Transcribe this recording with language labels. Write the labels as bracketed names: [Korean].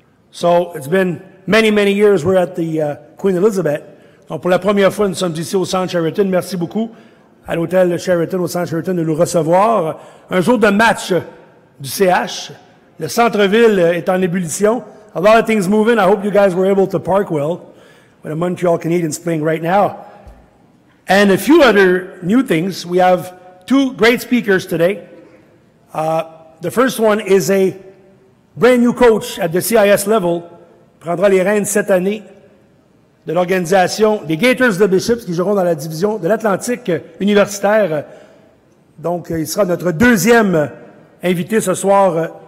[English] So it's been many, many years we're at the Queen Elizabeth. [French] Donc pour la première fois, nous sommes ici au Centre Sheraton. Merci beaucoup à l'hôtel Sheraton, au Centre Sheraton, de nous recevoir. Un jour de match du CH. Le centre-ville est en ébullition. [English] A lot of things moving. I hope you guys were able to park well. With a Montreal Canadiens playing right now. And a few other new things. We have two great speakers today. The first one is a brand new coach at the CIS level. [French] Prendra les rênes cette année de l'organisation des Gators de Bishops qui joueront dans la division de l'Atlantique universitaire. Donc, il sera notre deuxième invité ce soir.